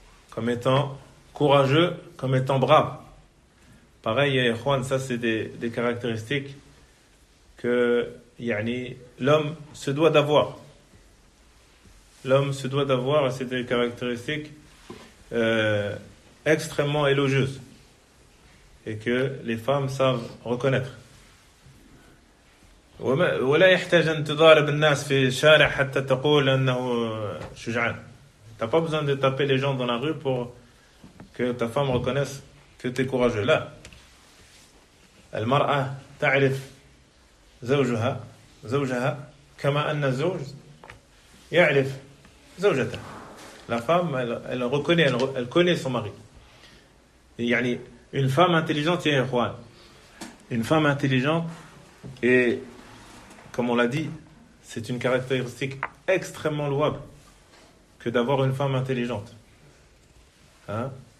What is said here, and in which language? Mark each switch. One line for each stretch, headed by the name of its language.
French: Comme étant courageux, comme étant brave. Pareil, Juan, ça c'est des caractéristiques que yani, l'homme se doit d'avoir. L'homme se doit d'avoir, et c'est des caractéristiques extrêmement élogieuses. Et que les femmes savent reconnaître.
Arabic: ولا يحتاج أن تضارب الناس في الشارع حتى تقول أنه شجعان.
French: T'as pas besoin de taper les gens dans la rue pour que ta femme reconnaisse que t'es courageux.
Arabic: لا. المرأة تعرف زوجها زوجها كما أن الزوج يعرف زوجته.
French: La femme elle reconnaît elle connaît son mari. يعني une femme intelligente est Juan. Une femme intelligente est comme on l'a dit, c'est une caractéristique extrêmement louable que d'avoir une femme intelligente. Hein?